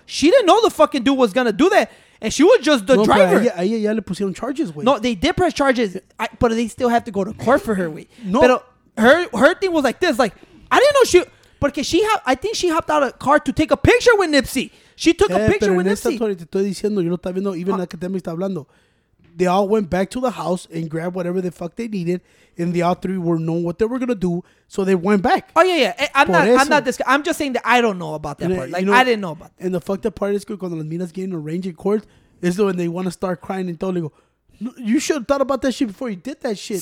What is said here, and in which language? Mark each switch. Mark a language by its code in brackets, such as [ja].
[en] She didn't know the fucking dude was going to do that. And she was just driver. [es] Ya le pusieron charges, güey. [en] No, they did press charges. But they still have to go to court for her, güey. No. But her thing was like this. Like, I didn't know she... [es] Porque [en] I think she hopped out of a car to take a picture with Nipsey. She took a picture with Nipsey. [es] Pero en esta story te estoy diciendo, yo lo estaba viendo, [en] even academic [es] está hablando. [en] They all went back to the house and grabbed whatever the fuck they needed. And the all three were knowing what they were going to do. So they went back. Oh, yeah. I'm just saying that I don't know about that part. Like, you know, I didn't know about that. And the fucked up part is [es] cuando las minas [en] getting arranged in court is when they want to start crying and totally go, you should have thought about that shit before you did that shit.